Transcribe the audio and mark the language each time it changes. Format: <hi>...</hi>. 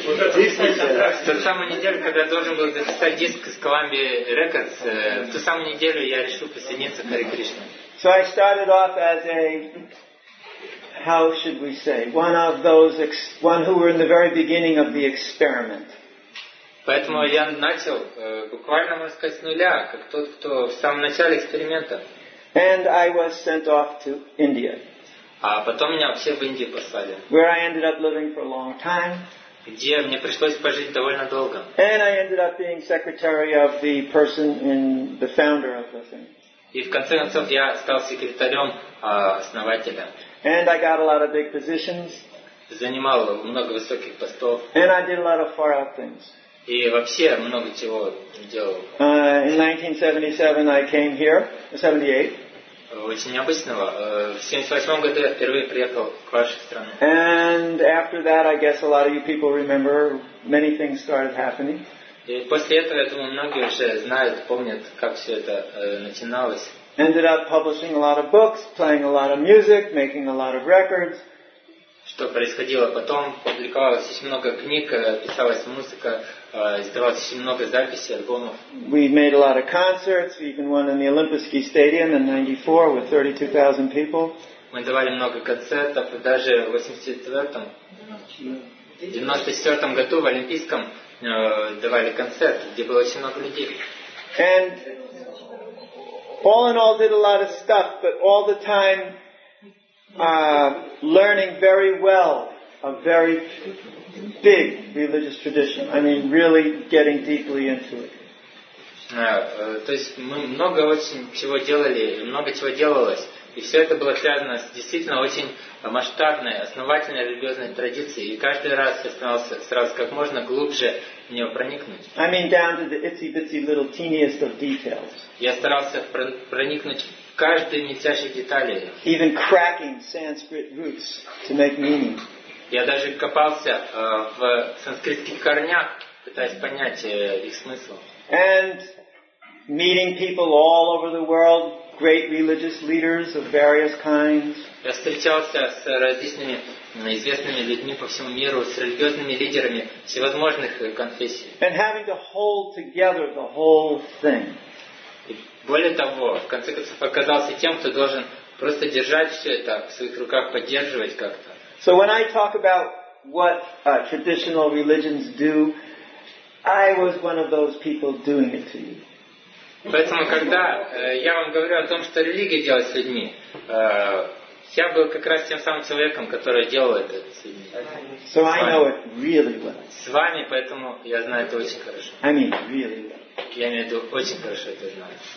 <ru>В ту самую неделю, когда я должен был записать диск с Columbia Records, в ту самую неделю я решил присоединиться к Харе Кришне.</ru> <en>So I started off as a, how should we say, one of those, one who were in the very beginning of the experiment.</en> <ru>Поэтому я начал буквально, можно сказать, с нуля, как тот, кто в самом начале эксперимента.</ru> <en>And I was sent off to India.</en> <ru>А потом меня вообще в Индию послали.</ru> <en>Where I ended up living for a long time.</en> <ru>Где мне пришлось пожить довольно долго.</ru> <en>And I ended up being secretary of the person in the founder of the thing.</en> <ru>И в конце концов я стал секретарем основателя.</ru> <en>And I got a lot of big positions.</en> <ru>Занимал много высоких постов.</ru> <en>And I did a lot of far out things.</en> <ru>И вообще много чего делал.</ru> <en>In 1977 I came here. 78.</en> <ru>Очень необычного. В 78 году я впервые приехал к вашей стране.</ru> <en>And after that, I guess a lot of you people remember many things started happening.</en> <ru>И после этого, я думаю, многие уже знают, помнят, как все это начиналось.</ru> <en>Ended up publishing a lot of books, playing a lot of music, making a lot of records.</en> <ru>Что происходило потом? Публиковалось очень много книг, писалась музыка, издавалось очень много записей, альбомов.</ru> <en>We made a lot of concerts. We even won in the Olympiski stadium in 94 with 32,000 people.</en> <ru>Мы давали много концертов, и даже в 94 году в Олимпийском давали концерт, где было очень много людей.</ru> <en>And all in all did a lot of stuff, but all the time learning very well a very big religious tradition. I mean, really getting deeply into it.</en> <ru>То есть мы много очень чего делали, много чего делалось, и все это было связано с действительно очень масштабной, основательной религиозной традицией, и каждый раз я старался сразу как можно глубже в нее проникнуть.</ru> <en>I mean, down to the itsy-bitsy little teeniest of details.</en> <ru>Я старался проникнуть каждой мельчайшей детали.</ru> <en>Even cracking Sanskrit roots to make meaning.</en> <ru>Я даже копался в санскритских корнях, пытаясь понять их смысл.</ru> <en>And meeting people all over the world, great religious leaders of various kinds.</en> <ru>Я встречался с различными известными людьми по всему миру, с религиозными лидерами всевозможных конфессий.</ru> <en>And having to hold together the whole thing.</en> <ru>Более того, в конце концов, оказался тем, кто должен просто держать все это в своих руках, поддерживать как-то.</ru> <en>So when I talk about what traditional religions do, I was one of those people doing it to you.</en> <ru>Поэтому, когда я вам говорю о том, что религия делает с людьми, я был как раз тем самым человеком, который делал это с людьми.</ru> <en>So I know it really well.</en> <ru>С вами, поэтому я знаю это очень хорошо.</ru> <en>I mean, really well.</en> <ru>Я имею в виду, очень хорошо это знаю.</ru>